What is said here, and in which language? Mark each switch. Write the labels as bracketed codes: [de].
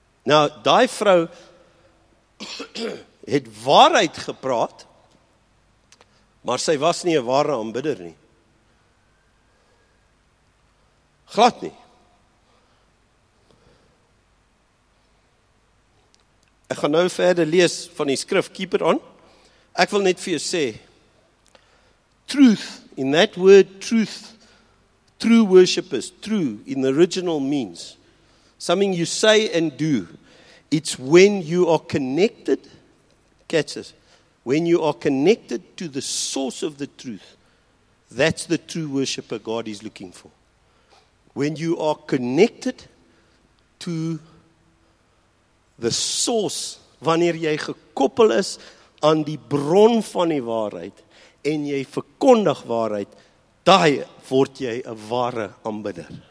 [af] Nou, die vrou het waarheid gepraat, maar sy was nie 'n ware aanbidder nie. Glad nie. Ek gaan nou verder lees van die skrif, [en] keep it on. [af] Ek wil net vir jou sê, [en] truth, in that word truth, true worshippers, true, in the original means, something you say and do, it's when you are connected, catch this, when you are connected to the source of the truth, that's the true worshipper God is looking for. When you are connected to the source, [af] wanneer jy gekoppel is aan die bron van die waarheid, en jy verkondig waarheid, daai word jy 'n ware aanbidder.